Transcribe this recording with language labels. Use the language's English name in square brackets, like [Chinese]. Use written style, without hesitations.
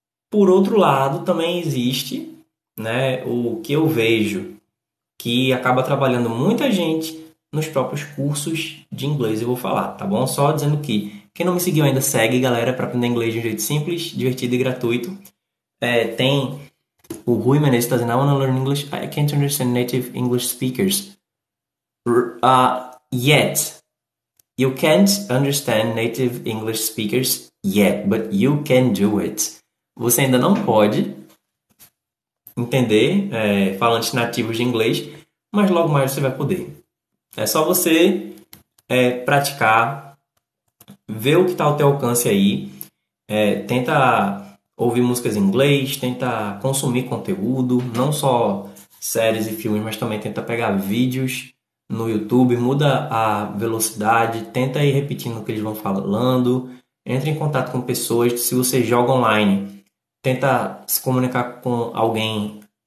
[Portuguese] Por outro lado, também existe, né, o que eu vejo, que acaba trabalhando muita gente nos próprios cursos de inglês, eu vou falar, tá bom? Só dizendo que quem não me seguiu ainda, segue, galera, para aprender inglês de um jeito simples, divertido e gratuito. Tem. O Rui Menezes está dizendo, I wanna learn English. [English] I can't understand native English speakers. Yet. You can't understand native English speakers yet, but you can do it. [Portuguese] Você ainda não pode entender falantes nativos de inglês, mas logo mais você vai poder. É só você praticar, ver o que está ao teu alcance aí, tenta ouvir músicas em inglês, tenta consumir conteúdo, não só séries e filmes, mas também tenta pegar vídeos no YouTube, muda a velocidade, tenta ir repetindo o que eles vão falando, entre em contato com pessoas, se você joga online, tenta se comunicar com alguém